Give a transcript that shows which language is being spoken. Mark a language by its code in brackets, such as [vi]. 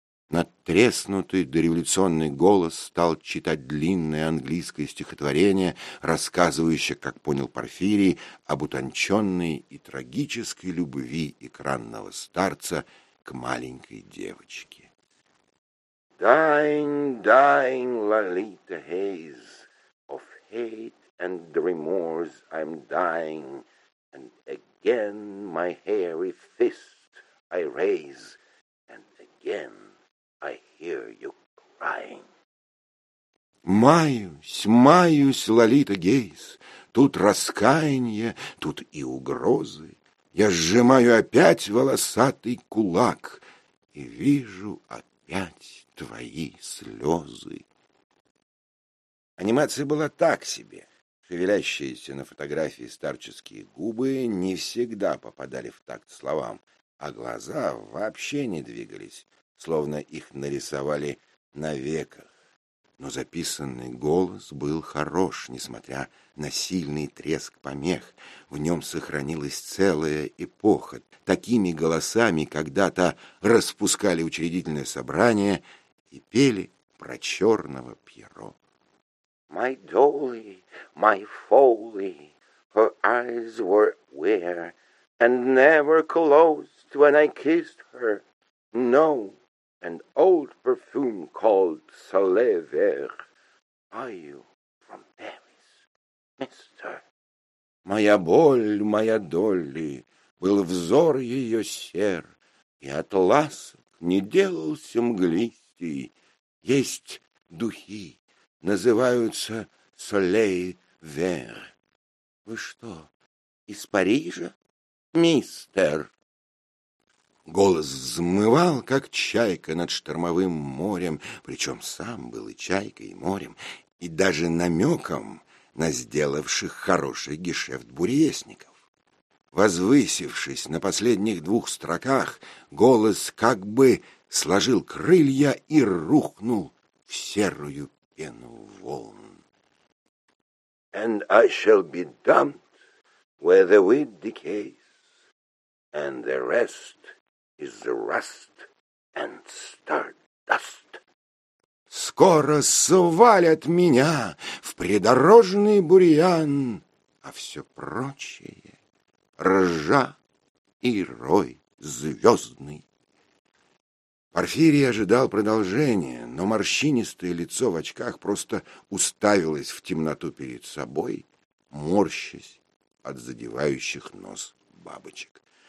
[ru] Натреснутый дореволюционный голос стал читать длинное английское стихотворение, рассказывающее, как понял Порфирий, об утонченной и трагической любви экранного старца к маленькой девочке. [en] «Dying, dying, Lolita haze, of hate and remorse I'm dying, and again my hairy fist I raise, and again I hear you crying». [ru] «Маюсь, маюсь, Лолита Гейс, тут раскаяние, тут и угрозы. Я сжимаю опять волосатый кулак и вижу опять твои слезы». Анимация была так себе. Шевелящиеся на фотографии старческие губы не всегда попадали в такт словам, а глаза вообще не двигались, словно их нарисовали на веках. Но записанный голос был хорош, несмотря на сильный треск помех. В нем сохранилась целая эпоха. Такими голосами когда-то распускали учредительное собрание и пели про черного Пьеро. [en] «My dolly, my foley, her eyes were wear and never closed when I kissed her. No, an old perfume called Soleil Vert. Are you from Paris, mister?» [ru] «Моя боль, моя долли, был взор ее сер, и атлас не делался мглистей. Есть духи, называются Soleil Vert. Вы что, из Парижа, мистер?» Голос взмывал, как чайка над штормовым морем, причем сам был и чайкой, и морем, и даже намеком на сделавших хороший гешефт буревестников. Возвысившись на последних двух строках, голос как бы сложил крылья и рухнул в серую пену волн. [en] And I shall be dumped where the weed decays, and the rest is the rust and stardust. [ru] Скоро свалят меня в придорожный бурьян, а все прочее — ржа и рой звездный. Порфирий ожидал продолжения, но морщинистое лицо в очках просто уставилось в темноту перед собой, морщась от задевающих нос бабочек.